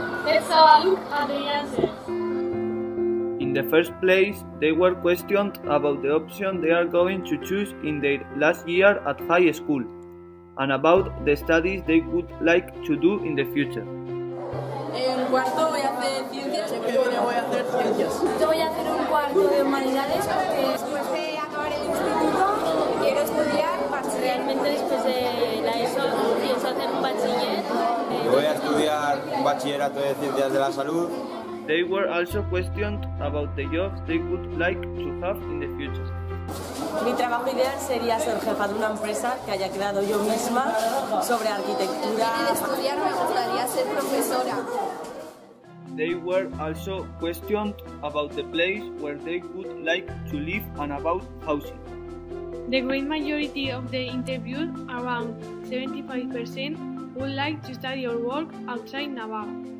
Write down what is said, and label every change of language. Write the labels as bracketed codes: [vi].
[en] Let's have a look at the answers. In the first place, they were questioned about the option they are going to choose in their last year at high school and about the studies they would like to do in the future. [es] En cuarto voy a hacer ciencias. En quinto voy a hacer ciencias. Yo voy a hacer un cuarto de humanidades porque después de acabar el instituto quiero estudiar bachiller. Realmente después de la ESO pienso hacer un bachiller. Voy a estudiar un bachillerato de ciencias de la salud. [en] They were also questioned about the jobs they would like to have in the future. [es] Mi trabajo ideal sería ser jefa de una empresa que haya creado yo misma sobre arquitectura. En estudiar me gustaría ser profesora. [en] They were also questioned about the place where they would like to live and about housing. The great majority of the interviewed, around 75%, would like to study or work outside Navarra.